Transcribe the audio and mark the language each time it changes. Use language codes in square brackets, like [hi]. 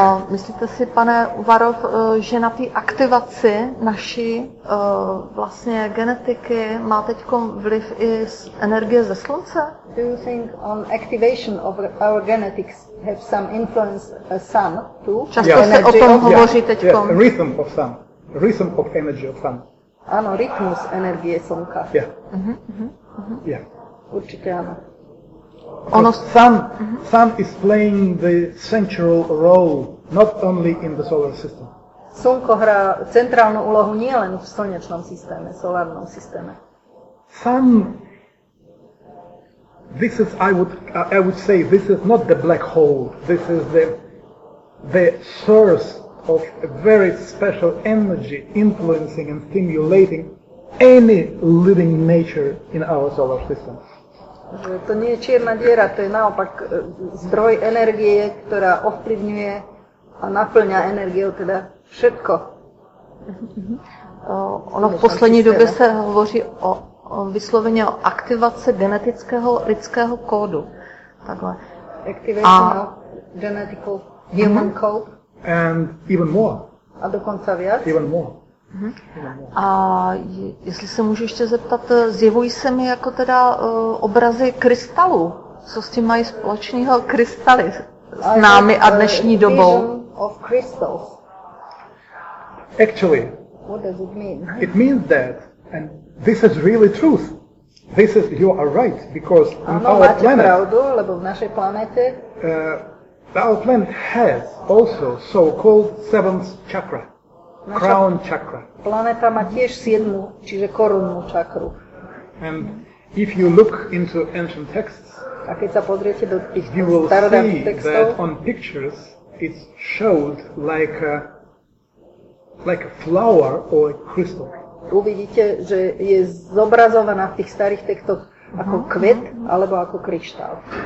[cs] Myslíte si, pane Uvarov, že na té aktivaci naší vlastně genetiky má teď vliv i z energie ze slunce? [en] Do you think on activation of our genetics have some influence a sun too? [cs] Často se o tom hovoří teď. [en] Rhythm of sun. Rhythm of energy of sun. [sk] Ano, rytmus energie slnka. [en] Yeah. [cs] Určitě ano. [en] Ono sun is playing the central role not only in the solar system. [sk] Slnko hrá centrálnu úlohu nielen v slnečnom systéme, solárnom systéme. [en] Sun, this is I would say this is not the black hole. This is the source of a very special energy influencing and stimulating any living nature in our solar system. [sk] To nie je čierna diera, to je naopak zdroj energie, ktorá ovplyvňuje a naplňa energiou teda všetko. [cs] Ono v poslední době se hovoří o vysloveně o aktivace genetického lidského kódu. Takhle. [en] Activation of genetic human code. And even more. [sk] A dokonca viac? [en] Even more. [cs] A jestli se můžu ještě zeptat, zjevují se mi jako teda obrazy krystalů? Co s tím mají společného krystaly s námi a dnešní dobou? [en] Of crystals. Actually, what does it mean? It means that, and this is really truth. This is, you are right, because [sk] ano, [en] on our planet... [sk] Ano, máte pravdu, lebo v našej planete... [en] Our planet has also so-called seventh chakra, [sk] naša [en] crown chakra. [sk] Planeta má tiež siedmu, čiže korunnú čakru. [en] And if you look into ancient texts, [sk] a keď sa pozriete do tých [en] you will see [sk] textov, [en] that on pictures it's showed like a flower or a crystal. [sk] Uvidíte, že je zobrazovaná v tých starých textoch ako kvet alebo ako kryštál.